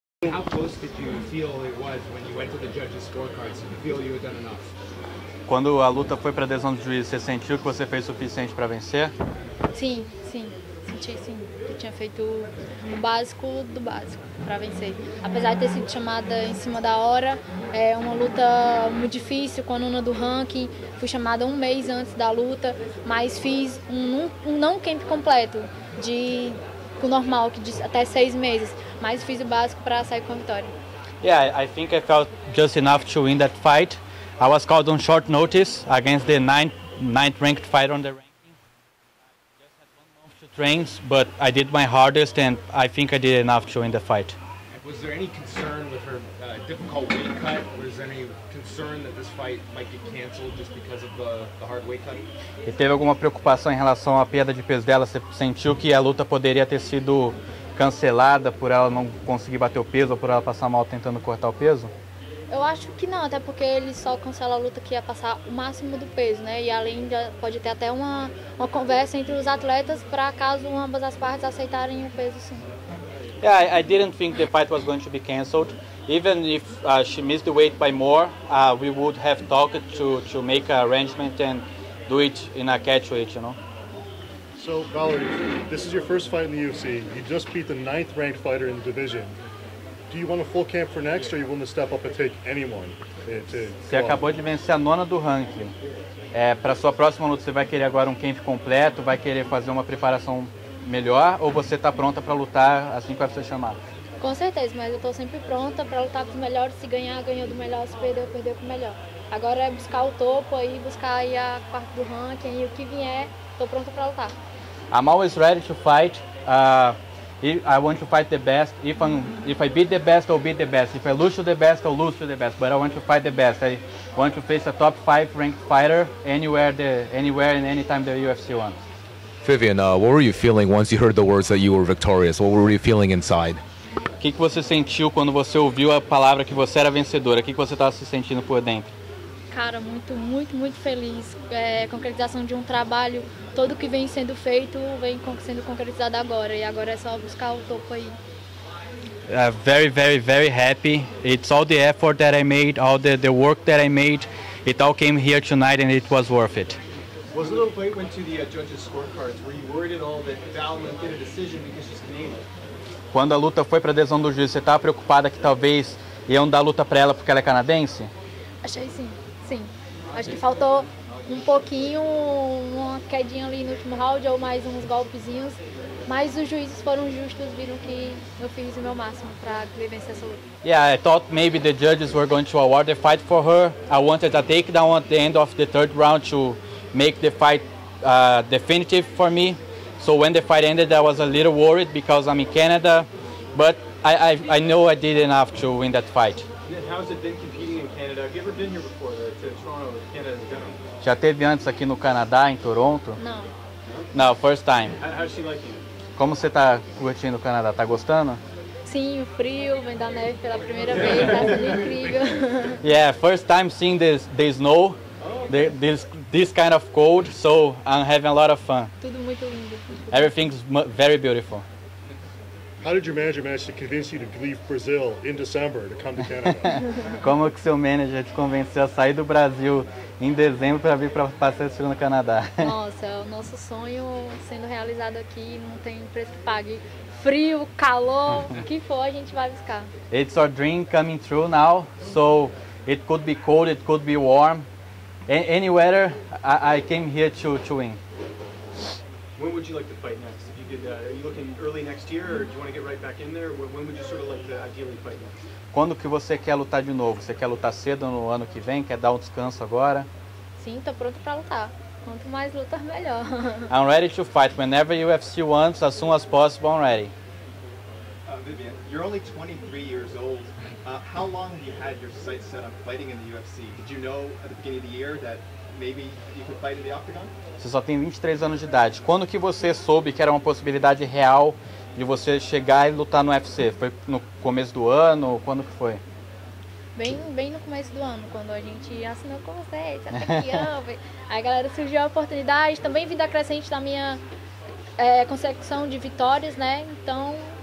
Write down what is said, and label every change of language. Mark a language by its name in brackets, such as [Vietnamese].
[English] How close did you feel it was when you went to the judges' scorecards? Did you feel you had done enough? [Portuguese] Quando a luta foi para a decisão do juiz, você sentiu que você fez o suficiente para vencer? Sim, sim. Senti, sim. Eu tinha feito o básico do básico para vencer. Apesar de ter sido chamada em cima da hora, é uma luta muito difícil com a nona do ranking. Fui chamada um mês antes da luta, mas fiz um não camp completo, de o normal, que diz até 6 meses. Mas fiz o básico para sair com a vitória. [English] Yeah, I think I felt just enough to win that fight. I was called on short notice against the ninth ranked fighter on the ranking. I just had 1 month to train, but I did my hardest and I think I did enough to win the fight. Was there any concern with her difficult weight cut? Was there any concern that this fight might get canceled just because of the hard weight cut? [Portuguese] E teve alguma preocupação em relação à perda de peso dela? Você sentiu que a luta poderia ter sido cancelada por ela não conseguir bater o peso ou por ela passar mal tentando cortar o peso? Eu acho que não, até porque ele só cancela a luta que ia passar o máximo do peso, né? E além, pode ter até uma conversa entre os atletas para caso ambas as partes aceitarem o peso, sim. [English] Yeah, I didn't think the fight was going to be canceled. Even if she missed the weight by more, we would have talked to make an arrangement and do it in a catch weight, you know? So, Valerie, this is your first fight in the UFC. You just beat the ninth ranked fighter in the division. Do you want a full camp for next, or are you willing to step up and take anyone? [Portuguese] Você acabou de vencer a nona do ranking. É, para sua próxima luta, você vai querer agora um camp completo? Vai querer fazer uma preparação melhor? Ou você está pronta para lutar assim que vai ser chamada? Com certeza, mas eu estou sempre pronta para lutar com os melhores. Se ganhar, ganhou do melhor. Se perder, perdeu com o melhor. Agora é buscar o topo aí, buscar aí a quarta do ranking. E o que vier, estou pronta para lutar. [English] I'm always ready to fight. I want to fight the best. If I beat the best, I'll beat the best. If I lose to the best, I'll lose to the best. But I want to fight the best. I want to face a top 5 ranked fighter anywhere and anytime the UFC wants. Vivian, what were you feeling once you heard the words that you were victorious? What were you feeling inside? [Portuguese] O que você sentiu quando você ouviu a palavra que você era vencedora? O que você estava se sentindo por dentro? Cara, muito, muito, muito feliz. É, concretização de um trabalho, todo que vem sendo feito, vem sendo concretizado agora. E agora é só buscar o topo aí. [English] Very, very, very happy. It's all the effort that I made, all the work that I made. It all came here tonight and it was worth it. Was it a little fight went to the judges' scorecards? Were you worried at all that Valman did a decision because she's Canadian? [Portuguese] Quando a luta foi para a decisão do juiz, você estava preocupada que talvez iam dar a luta para ela porque ela é canadense? Achei sim. Sim, acho que faltou um pouquinho, uma quedinha ali no último round ou mais uns golpezinhos, mas os juízes foram justos, viram que eu fiz o meu máximo para vencer essa luta. [English] Yeah, I thought maybe the judges were going to award the fight for her. I wanted a takedown at the end of the third round to make the fight definitive for me. So when the fight ended, I was a little worried because I'm in Canada, but I know I did enough to win that fight. How's it been competing in Canada? Have you ever been here before, to Toronto, or Canada in general? [Portuguese] Já teve antes aqui no Canadá, em Toronto? Não. [English] Não, first time. How's she liking it? [Portuguese] Como você tá curtindo o Canadá? Tá gostando? Sim, o frio, vem da neve pela primeira vez, tá sendo incrível. [English] Yeah, first time seeing the snow, this kind of cold, so I'm having a lot of fun. [Portuguese] Tudo muito lindo. [English] Everything's very beautiful. How did your manager manage to convince you to leave Brazil in December to come to Canada? [Portuguese] Como que seu manager te convenceu a sair do Brasil em dezembro para vir para passar esse ano no Canadá? Nossa, o nosso sonho sendo realizado aqui, não tem preço que pague. Frio, calor, o que for, a gente vai buscar. [English] It's our dream coming true now, so it could be cold, it could be warm. Any weather, I came here to win. When would you like to fight next? Are you looking early next year, or do you want to get right back in there? When would you sort of like to ideally fight next? [Portuguese] Quando que você quer lutar de novo? Você quer lutar cedo no ano que vem? Quer dar um descanso agora? Sim, tô pronto para lutar. Quanto mais luta, melhor. [English] I'm ready to fight whenever UFC wants, as soon as possible, I'm ready. Vivian, you're only 23 years old. How long have you had your sights set on fighting in the UFC? Did you know at the beginning of the year that maybe you could fight in the octagon? [Portuguese] Você só tem 23 anos de idade. Quando que você soube que era uma possibilidade real de você chegar e lutar no UFC? Foi no começo do ano? Quando que foi? Bem no começo do ano, quando a gente assinou com você, até que aí, galera, surgiu a oportunidade. Também vindo acrescente da minha consecução de vitórias, né? Então,